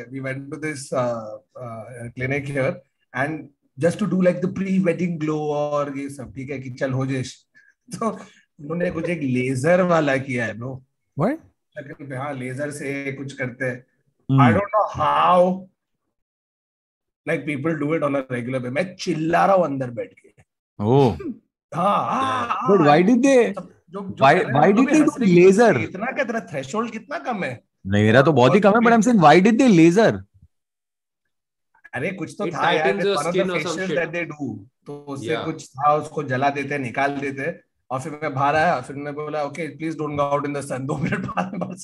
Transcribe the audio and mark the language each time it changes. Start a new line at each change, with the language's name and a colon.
English: We went to this clinic here and just to do like the pre-wedding glow
Hindi: और ये सब, ठीक है? कि चल हो जाए। तो उन्होंने कुछ एक लेजर वाला किया है, bro.
English: What?
Hindi: हाँ, लेजर से कुछ करते हैं।
English: I don't know how. Like people do it on a regular basis.
Hindi: Main chilla raha hu andar baith ke. Oh.
English: But why did they? Why did they do laser?
Hindi: Itna threshold kitna kam hai? Nahi, mera to bahut hi kam hai.
English: But I'm saying, why did they laser?
Hindi: अरे कुछ तो था कुछ था उसको जला देते निकाल देते और फिर मैं बाहर आया फिर मैं बोला
English: okay please don't go out in the sun
Hindi: दो मिनट बाद